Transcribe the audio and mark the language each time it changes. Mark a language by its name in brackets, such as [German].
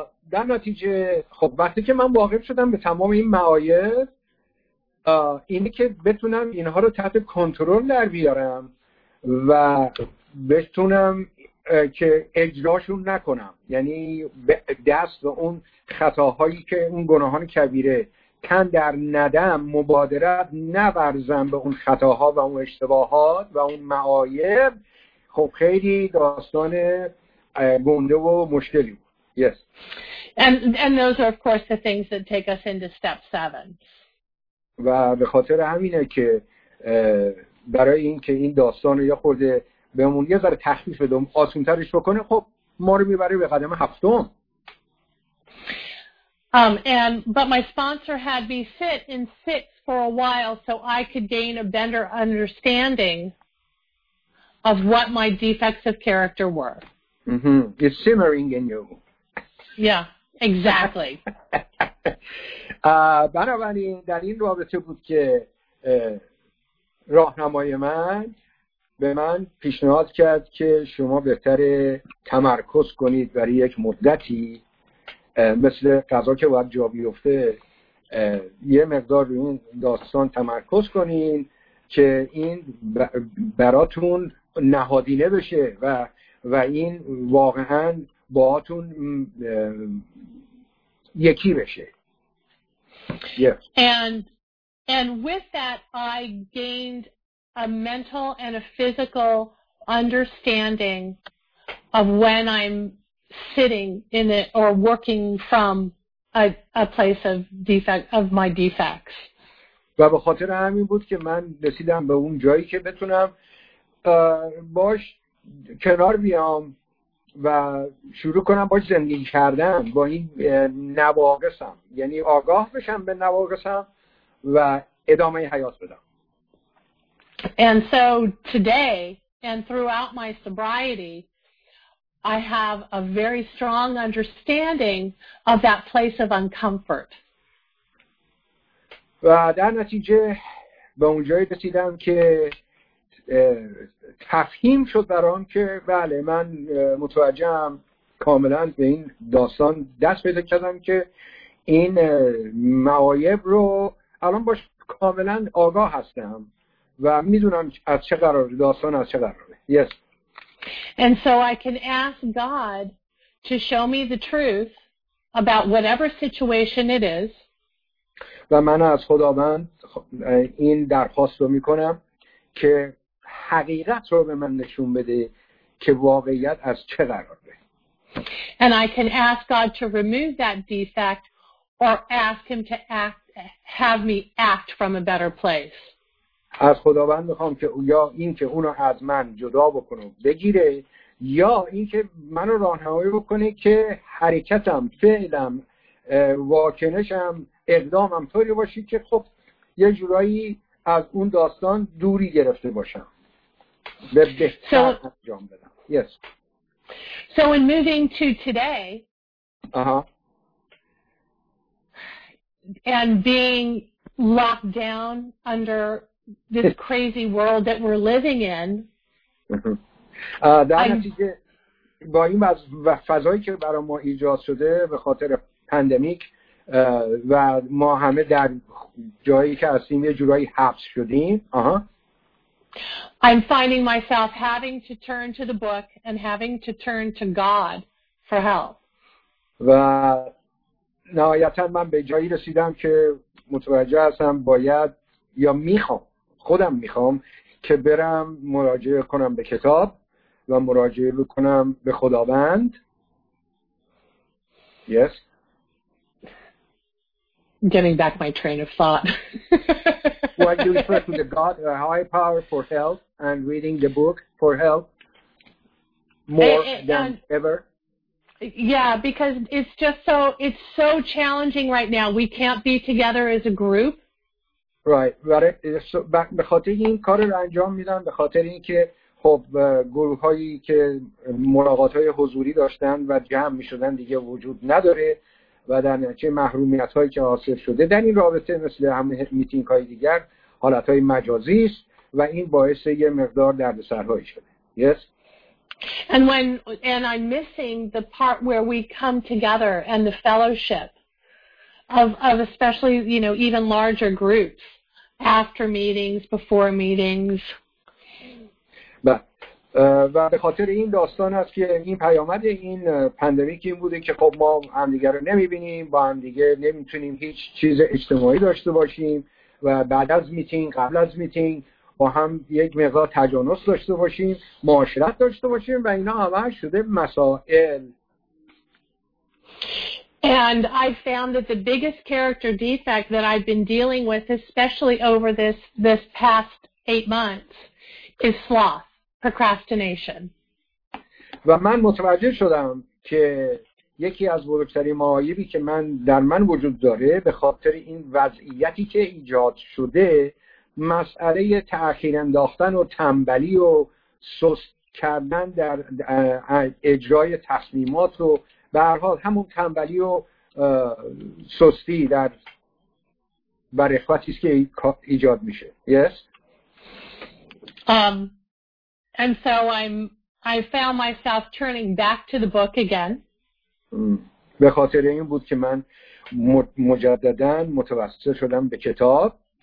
[Persian] در نتیجه خب وقتی که من واقف شدم به تمام این معایب، اینه که بتونم اینها رو تحت کنترل در بیارم و بتونم که اجراشون نکنم، یعنی دست به اون خطاهایی که اون گناهان کبیره تن در ندم مبادرت نورزم به اون خطاها و اون اشتباهات و اون معایب، خب خیلی داستان گنده و مشکلی بود. [English] Yes. And those are of course the things that take us into step 7. [Persian] و به خاطر همینه که برای این که این داستان رو یه خورده بهمون یه ذره تخفیف بده، آسان‌ترش بکنه، خب ما رو میبره به قدم هفتم. [English] But my sponsor had me sit in 6 for a while so I could gain a better understanding of what my defects of character were. Mm-hmm. It's simmering in you. Yeah. Exactly. [Persian] بنابراین در این رابطه بود که راهنمای من به من پیشنهاد کرد که شما بهتره تمرکز کنید برای یک مدتی، مثل قضا که باید جا بیفته، یه مقدار روی این داستان تمرکز کنین که این براتون نهادینه بشه و این واقعا باهاتون یکی بشه. [English] And with that I gained a mental and a physical understanding of when I'm sitting in it or working from a place of defect of my defects. [Persian] و به خاطر همین بود که من رسیدم به اون جایی که بتونم باش کنار بیام و شروع کنم باش زندگی کردن با این نواقصم، یعنی آگاه بشم به نواقصم و ادامه حیات بدم. [English] And so today and throughout my sobriety I have a very strong understanding of that place of uncomfort. [Persian] و در نتیجه به اونجایی رسیدم که تفهیم شد برام که بله من متوجهم، کاملا به این داستان دست پیدا کردم که این معایب رو الان باش کاملا آگاه هستم و میدونم از چه قراره، داستان از چه قراره. [English] Yes. And so I can ask God to show me the truth about whatever situation it is. [Persian] و من از خداوند این درخواست رو میکنم که حقیقت رو به من نشون بده که واقعیت از چه قراره. [English] And I can ask God to remove that defect or ask him to act, have me act from a better place. [Persian] از خداوند میخوام که یا این که اونو از من جدا بکنه بگیره، یا این که منو راهنمایی بکنه که حرکتم، فعلم، واکنشم، اقدامم طوری باشه که خب یه جورایی از اون داستان دوری گرفته باشم به بهتر انجام بدم. [English] Yes. So in moving to today, and being locked down under this crazy world that we're living in, [Persian] در نتیجه با این از فضایی که برای ما ایجاد شده به خاطر پندمیک و ما همه در جایی که هستیم یه جورایی حبس شدیم. [English] I'm finding myself having to turn to the book and having to turn to God for help. [Persian] و نهایتا من به جایی رسیدم که متوجه هستم باید یا میخوام، خودم میخوام که برم مراجعه کنم به کتاب و مراجعه کنم به خداوند. [English] Yes. Getting back my train of thought. Why do you refer to the God, the high power for help and reading the book for help more than ever? Yeah, because it's just so, it's so challenging right now. We can't be together as a group. Right. [Persian] به خاطر این کار رو انجام میدن، به خاطر این که خب گروه هایی که ملاقات های حضوری داشتن و جمع میشدن دیگه وجود نداره و در نتیجه محرومیت هایی که حاصل شده در این رابطه مثل همه میتینگ های دیگر حالت های مجازی است و این باعث یه مقدار دردسرهایی شده. [English] Yes. And when and I'm missing the part where we come together and the fellowship of especially, you know, even larger groups after meetings, before meetings. [Persian] و به خاطر این داستان است که این پیامد این پندمیک این بوده که خب ما همدیگر رو نمیبینیم، با همدیگه نمیتونیم هیچ چیز اجتماعی داشته باشیم و بعد از میتینگ، قبل از میتینگ با هم یک مقدار تجانس داشته باشیم، معاشرت داشته باشیم و اینا همه شده مسائل. [English] And I found that the biggest character defect that I've been dealing with, especially over this past 8 months, is sloth. Procrastination. [Persian] و من متوجه شدم که یکی از بزرگترین معایبی که من در من وجود داره به خاطر این وضعیتی که ایجاد شده مسئله تأخیر انداختن و تنبلی و سست کردن در اجرای تصمیمات و به هر حال همون تنبلی و سستی در برای خواهدی است که ایجاد میشه. [English] Yes. And so I found myself turning back to the book again. [Persian] به خاطر این بود که من مجدداً متوسل شدم به کتاب.